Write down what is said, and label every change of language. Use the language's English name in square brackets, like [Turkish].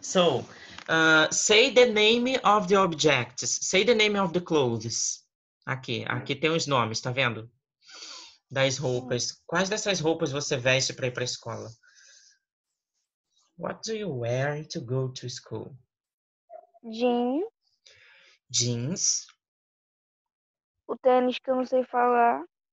[English] So, say the name of the objects. Say the name of the clothes. [Portuguese] Aqui tem os nomes, tá vendo? Das roupas. Quais dessas roupas você veste para ir para a escola? [English] What do you wear to go to school? Jeans. [Portuguese] O tênis que eu não sei falar.